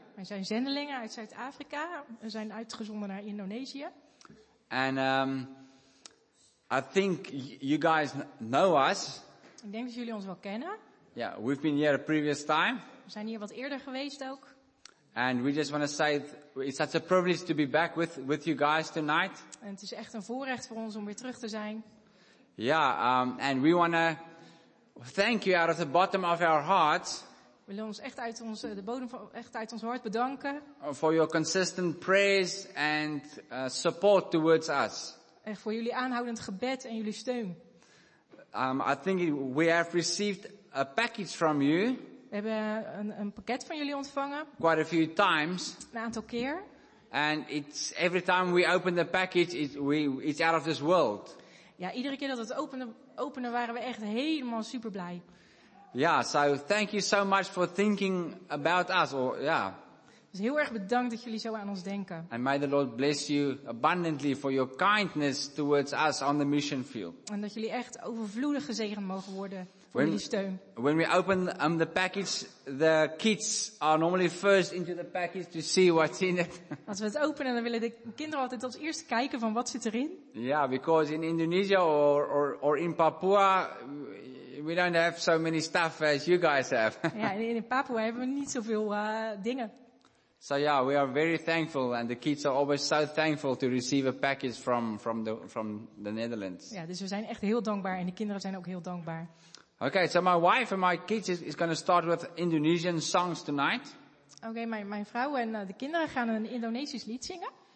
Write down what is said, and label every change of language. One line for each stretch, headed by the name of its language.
Dutch: We zijn zendelingen uit Zuid-Afrika. We zijn uitgezonden naar Indonesië.
English: And I think you guys know us.
Dutch: Ik denk dat jullie ons wel kennen.
English: Yeah, we've been here a previous time.
Dutch: We zijn hier wat eerder geweest ook.
English: And we just want to say it's such a privilege to be back with you guys tonight.
Dutch: En het is echt een voorrecht voor ons om weer terug te zijn.
English: Yeah, and we want to thank you out of the bottom of our hearts.
Dutch: We willen ons echt uit ons de bodem van echt uit ons hart bedanken.
English: For your consistent prayers and support towards us.
Dutch: En voor jullie aanhoudend gebed en jullie steun.
English: I think we have received a package from you.
Dutch: We hebben een pakket van jullie ontvangen.
English: Quite a few times.
Dutch: Een aantal keer.
English: And it's every time we open the package, it's out of this world.
Dutch: Ja, iedere keer dat we het openen waren we echt helemaal super blij.
English: Yeah, so thank you so much for thinking about us.
Dutch: Dus heel erg bedankt dat jullie zo aan ons denken.
English: And may the Lord bless you abundantly for your kindness towards us on the mission field.
Dutch: En dat jullie echt overvloedig gezegend mogen worden voor jullie steun.
English: When we open the package, the kids are normally first into the package to see what's in it.
Dutch: Als we het openen, dan willen de kinderen altijd als eerst kijken van wat zit erin.
English: Yeah, because in Indonesia or in Papua, we don't have so many stuff as you guys have.
Dutch: Ja, in Papua hebben we niet zoveel dingen.
English: So yeah, we are very thankful and the kids are always so thankful to receive a package from the Netherlands.
Dutch: Ja, dus we zijn echt heel dankbaar en de kinderen zijn ook heel dankbaar.
English: Okay, so my wife and my kids is going to start with Indonesian songs tonight.
Dutch: Okay, mijn vrouw en de kinderen gaan een Indonesisch lied zingen.